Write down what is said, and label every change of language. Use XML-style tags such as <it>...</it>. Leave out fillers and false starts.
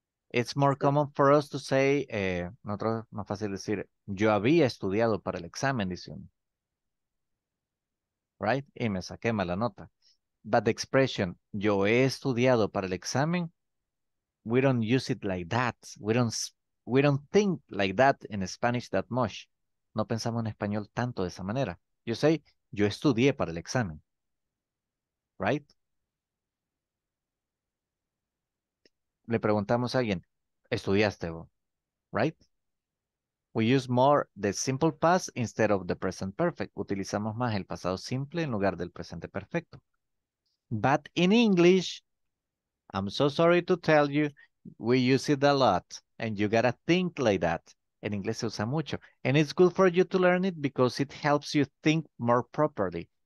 <en>It's more common for us to say,</en> <es>nosotros más fácil decir, yo había estudiado para el examen, dice uno. Right? Y me saqué mala nota.</es> <en>But the expression,</en> <es>yo he estudiado para el examen,</es> <en>we don't use it like that. We don't think like that in Spanish that much.</en> <es>No pensamos en español tanto de esa manera.</es> <en>You say,</en> <es>yo estudié para el examen. Right? Le preguntamos a alguien, ¿estudiaste vos? Right?</es> <en>We use more the simple past instead of the present perfect.</en> <es>Utilizamos más el pasado simple en lugar del presente perfecto.</es> <en>But in English, I'm so sorry to tell you, we use it a lot. And you gotta think like that.</en> <es>En inglés se usa mucho.</es> <en>And it's good for you to learn it because it helps you think more properly.</en>